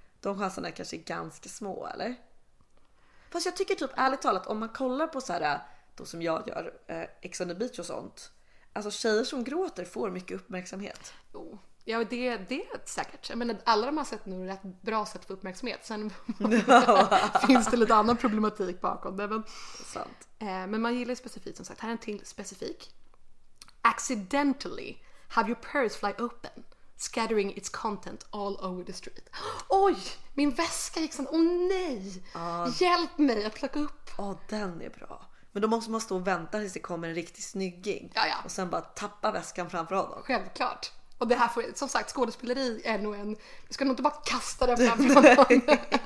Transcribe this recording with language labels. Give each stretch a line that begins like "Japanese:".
Swedish: de chanserna kanske är ganska små, eller? Fast jag tycker typ, ärligt talat, om man kollar på så här, då som jag gör, Ex on the Beach och sånt, alltså tjejer som gråter får mycket uppmärksamhet. Jo, ja, det är säkert. Jag menar, alla de har sett nu rätt bra sätt för uppmärksamhet. Sen finns det lite annan problematik bakom det. Men, sant. Men man gillar specifikt, som sagt. Här är en till specifik.
English: Accidentally have your purse fly open, scattering its content all over the street.
Swedish: Oj, min väska gick sen. Åh nej, hjälp mig att plocka upp. Åh, den är bra. Men då måste man stå och vänta tills det kommer en riktig snygging. Jaja. Och sen bara tappa väskan framför honom. Självklart. Och det här får, som sagt, skådespeleri är nog en... Vi ska nog inte bara kasta det framför honom.